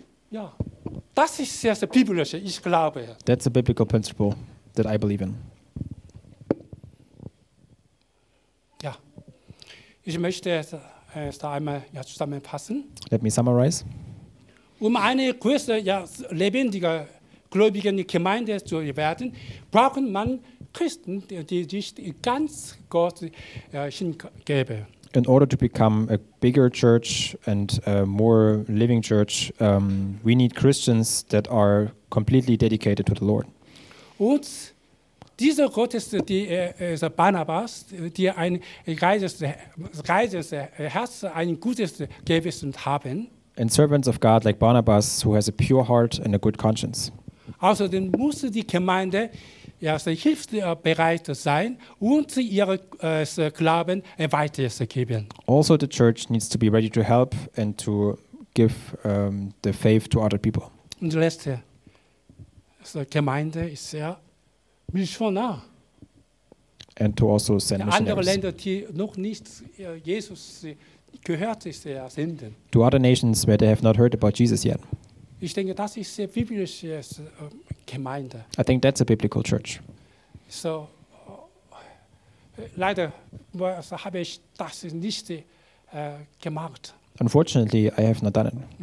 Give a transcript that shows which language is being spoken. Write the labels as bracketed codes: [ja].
[de] Ja, das ist sehr, sehr biblisch, ich glaube. [en] That's a biblical principle that I believe in. [de] Ja, ich möchte einmal zusammenfassen. [en] Let me summarize. [de] Um eine größere, lebendige, gläubige Gemeinde zu werden, braucht man Christen, die sich ganz Gott hingeben. [en] In order to become a bigger church and a more living church, we need Christians that are completely dedicated to the Lord. [de] Und dieser Gott ist Barnabas, der ein reines Herz, ein gutes Gewissen haben. [en] And servants of God like Barnabas, who has a pure heart and a good conscience. [de] Außerdem muss die Gemeinde hilfsbereit sein und ihre Glauben weitergeben. [en] Also the church needs to be ready to help and to give the faith to other people. [de] Und die letzte Gemeinde ist sehr missionar. [en] And to also send missionaries. [de] Andere Länder, die noch nicht Jesus gehört ist, senden. [en] To other nations where they have not heard about Jesus yet. [de] Ich denke, das ist sehr biblisch. Gemeinde. [en] I think that's a biblical church. [de] So, leider habe ich das nicht gemacht. [en] Unfortunately, I have not done it.